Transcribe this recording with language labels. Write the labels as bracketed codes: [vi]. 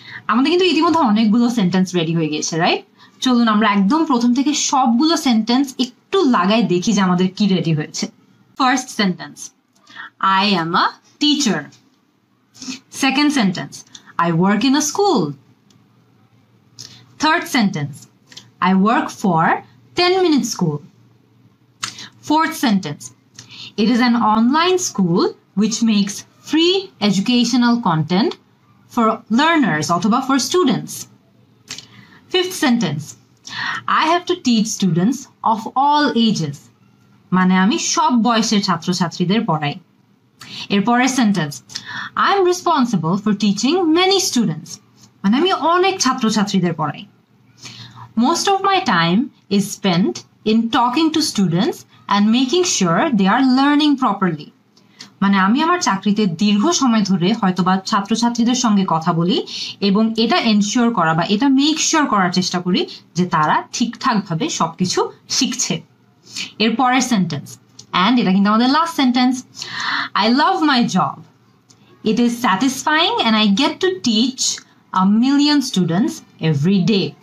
[bn] আমাদের কিন্তু ইতিমধ্যে অনেকগুলো সেন্টেন্স রেডি হয়ে গেছে, রাইট? চলুন আমরা একদম প্রথম থেকে সবগুলো সেন্টেন্স একটু লাগায় দেখি যে আমাদের কি রেডি হয়েছে। [en] First sentence, I am a teacher. Second sentence, I work in a school. Third sentence, I work for 10-minute school. Fourth sentence, it is an online school which makes free educational content for learners, othoba for students. Fifth sentence, I have to teach students of all ages. [bn] Mane ami sob boyosher chhatro chhatrider porai. Erpore [en] sentence, I am responsible for teaching many students. [bn] Mane ami onek chhatro chhatrider porai. [en] Most of my time is spent in talking to students and making sure they are learning properly. [bn] মানে আমি আমার চাকরিতে দীর্ঘ সময় ধরে হয়তোবা ছাত্রছাত্রীদের সঙ্গে কথা বলি এবং এটা এনশিওর করা বা এটা মেক শিওর করার চেষ্টা করি যে তারা ঠিকঠাকভাবে সব কিছু শিখছে। এরপরের [en] sentence, and [bn] এটা কিন্তু আমাদের [en] Last sentence, I love my job, it is satisfying and I get to teach a million students every day.